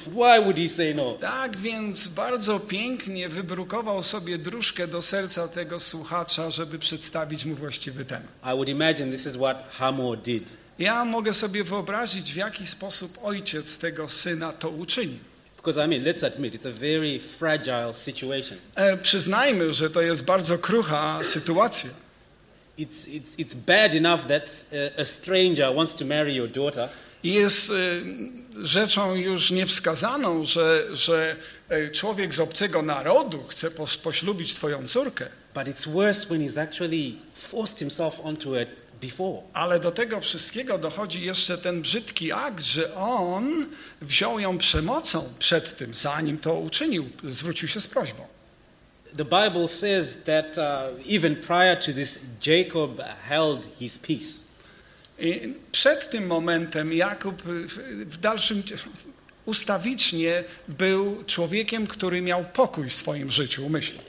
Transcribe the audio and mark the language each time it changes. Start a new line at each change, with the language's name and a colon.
English: Why would he say no?
Polish: Tak więc bardzo pięknie wybrukował sobie dróżkę do serca tego słuchacza, żeby przedstawić mu właściwy temat.
English: I would imagine this is what Hamor did.
Polish: Ja mogę sobie wyobrazić, w jaki sposób ojciec tego syna to uczyni.
English: Because I mean, let's admit, it's a very fragile situation.
Polish: Przyznajmy, że to jest bardzo krucha sytuacja.
English: It's bad enough that a stranger wants to marry your daughter.
Polish: Jest rzeczą już niewskazaną, że człowiek z obcego narodu chce poślubić twoją córkę.
English: But it's worse when he's actually forced himself onto it.
Polish: Ale do tego wszystkiego dochodzi jeszcze ten brzydki akt, że on wziął ją przemocą przed tym, zanim to uczynił, zwrócił się z prośbą.
English: The Bible says that even prior to this, Jacob held his peace.
Polish: I przed tym momentem Jakub w dalszym ustawicznie był człowiekiem, który miał pokój w swoim życiu, umyśle.